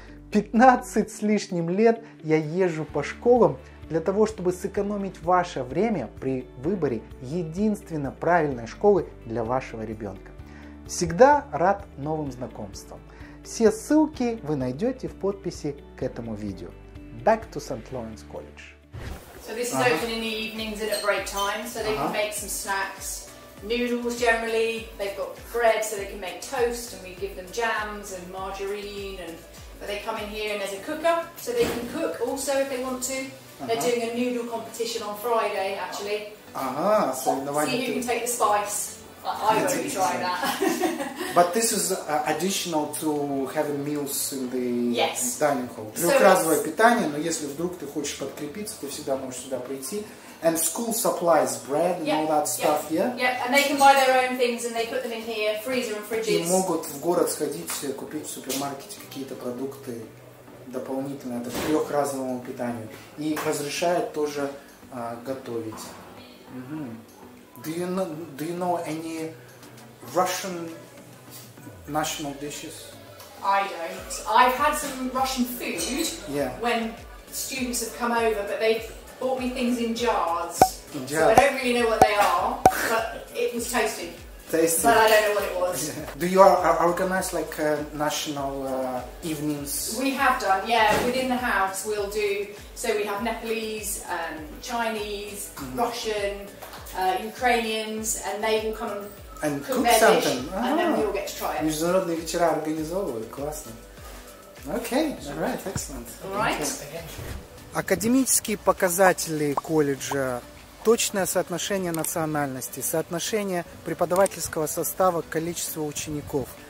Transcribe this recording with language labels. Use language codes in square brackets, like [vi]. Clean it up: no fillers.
[ru] 15 с лишним лет я езжу по школам для того, чтобы сэкономить ваше время при выборе единственно правильной школы для вашего ребенка. Всегда рад новым знакомствам. Все ссылки вы найдете в подписи к этому видео. [en] Back to St. Lawrence College. So this is open in the evenings and at break time, so they can make some snacks, noodles generally, they've got bread so they can make toast, and we give them jams and margarine, and but they come in here and there's a cooker, so they can cook also if they want to. They're doing a noodle competition on Friday, actually. See who can take the spice. I won't try that. But this is additional to having meals in the dining hall. [ru] Трехразовое питание, но если вдруг ты хочешь подкрепиться, ты всегда можешь сюда прийти. [en] And school supplies bread and all that stuff, And they can buy their own things and they put them in here, freezer and fridges. [ru] И могут в город сходить, купить в супермаркете какие-то продукты дополнительные, это к трехразовому питанию. И разрешают тоже готовить. [en] Do you know any Russian national dishes? I don't. I've had some Russian food when students have come over, but they bought me things in jars. In jars. So I don't really know what they are, but it was tasty. Tasty. But I don't know what it was. Yeah. Do you organize like national evenings? We have done, within the house we'll do. So we have Nepalese, Chinese, Russian, Ukrainians, and they will come and cook something. And then we all get to try it. [ru] Международные вечера организовывают, классно. [en] Okay, all right, excellent. All right. [ru] Академические показатели колледжа, точное соотношение национальности, соотношение преподавательского состава к количеству учеников.